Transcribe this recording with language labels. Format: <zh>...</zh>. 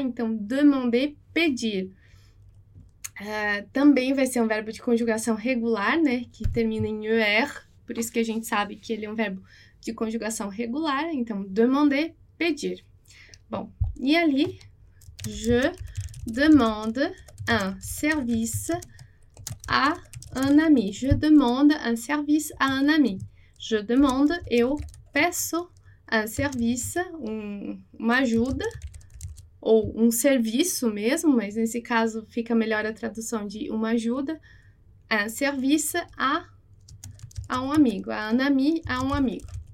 <pt>Então, demander, pedir. Também vai ser um verbo de conjugação regular, né? Que termina em er, por isso que a gente sabe que ele é um verbo de conjugação regular. Então, demander, pedir. Bom, e ali,</pt> <fr>je demande un service à un ami. Je demande un service à un ami. Je demande,</fr> <pt>eu peço</pt> <fr>un service,</fr> <pt>uma ajuda, ou um serviço mesmo, mas nesse caso fica melhor a tradução de uma ajuda, un service à un amigo,</pt> <fr>à un ami,</fr> <pt>à un amigo.</pt>